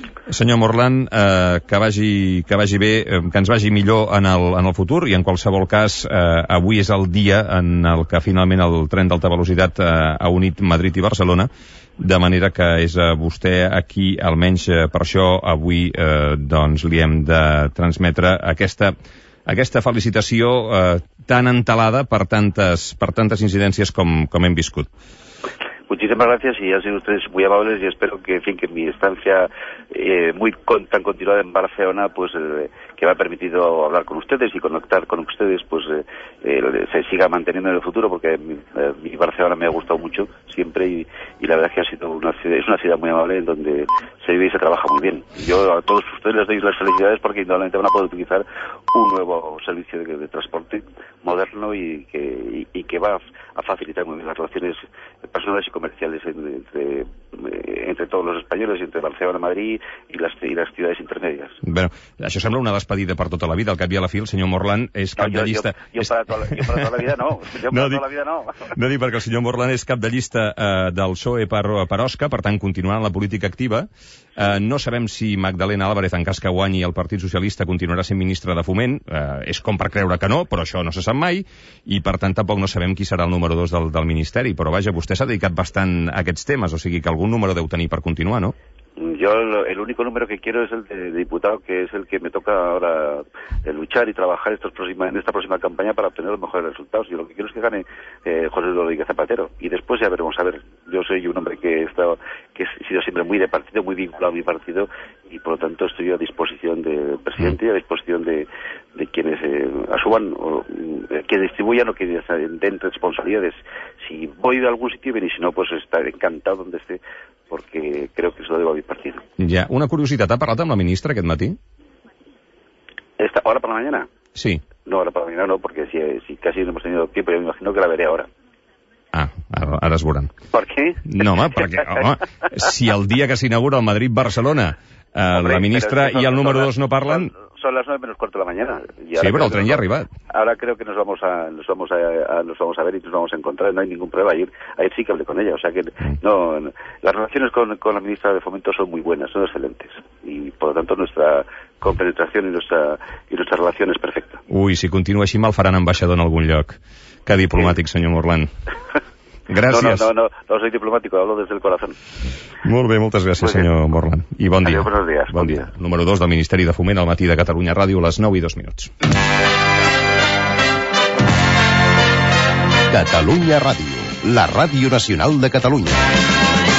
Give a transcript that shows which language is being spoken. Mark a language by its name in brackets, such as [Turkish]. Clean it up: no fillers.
[Catalan] Senyor Morlan, que vagi bé, que ens vagi millor en el futur, i en qualsevol cas, avui és el dia en el que finalment el tren d'alta velocitat ha unit Madrid i Barcelona, de manera que és a vostè aquí, almenys per això, avui doncs li hem de transmetre aquesta felicitació tan entelada per tantes incidències com hem viscut. [Spanish] Muchísimas gracias, y han sido ustedes muy amables, y espero que, en fin, que mi estancia tan continuada en Barcelona, pues que me ha permitido hablar con ustedes y conectar con ustedes, pues se siga manteniendo en el futuro, porque mi Barcelona me ha gustado mucho siempre, y la verdad es que ha sido una ciudad muy amable, en donde se vive y se trabaja muy bien. Yo a todos ustedes les doy las felicidades, porque indudablemente van a poder utilizar un nuevo servicio de transporte moderno y que va a facilitar muy bien las relaciones personales y comerciales entre todos los españoles, entre Barcelona, Madrid y las ciudades intermedias. [Catalan] Bueno, això sembla una despedida per tota la vida, al cap i a la fi, el senyor Morlan és cap de llista... Jo per tota la vida no. No, dic perquè el senyor Morlan és cap de llista del PSOE per Osca, per tant, continuant la política activa. No sabem si Magdalena Álvarez, en cas que guanyi el Partit Socialista, continuarà sent ministra de Foment. És com per creure que no, però això no se sap mai, i per tant tampoc no sabem qui serà el número 2 del Ministeri. Però vaja, vostè s'ha dedicat bastant a aquests temes, o sigui que algun número deu tenir per continuar, no? [Spanish] Yo el único número que quiero es el de diputado, que es el que me toca ahora luchar y trabajar en esta próxima campaña para obtener los mejores resultados. Yo lo que quiero es que gane José Rodríguez Zapatero, y después ya veremos. A ver, yo soy un hombre que he sido siempre muy de partido, muy vinculado a mi partido, y por lo tanto estoy a disposición del presidente y a disposición de quienes asuman o que distribuyan o que den responsabilidades. Si voy de algún sitio, bien, y si no, pues estaré encantado donde esté, porque creo que eso lo debo a mi partido. [Catalan] Ja, una curiositat, ha parlat amb la ministra aquest matí? [Spanish] ¿Esta hora por la mañana? Sí. No, ahora por la mañana no, porque si casi no hemos tenido tiempo, yo me imagino que la veré ahora. [Catalan] Ara es veuran. [Spanish] ¿Por qué? [Catalan] No, home, perquè, home, si el dia que s'inaugura el Madrid-Barcelona la ministra i el número 2 no parlen... [Spanish] Son las 9:15 de la mañana. Sí, pero el tren ya ha arribado. Ahora creo que nos vamos a ver y nos vamos a encontrar. No hay ningún problema. Ayer sí que hablé con ella. O sea que no, las relaciones con la ministra de Fomento son muy buenas, son excelentes. Y por lo tanto nuestra compenetración y nuestra relación es perfecta. Uy, si continúa así mal farán embajador [Catalan] en algún lloc. [Spanish] Qué diplomático, señor Morlán. [Catalan] Gràcies. [Spanish] No, soy diplomático, hablo desde el corazón. [Catalan] Molt bé, moltes gràcies, senyor Morlan. I bon dia. Adéu, días, bon dia. Número 2 del Ministeri de Foment, al matí de Catalunya Ràdio, les 9:02. Catalunya Ràdio, la ràdio nacional de Catalunya.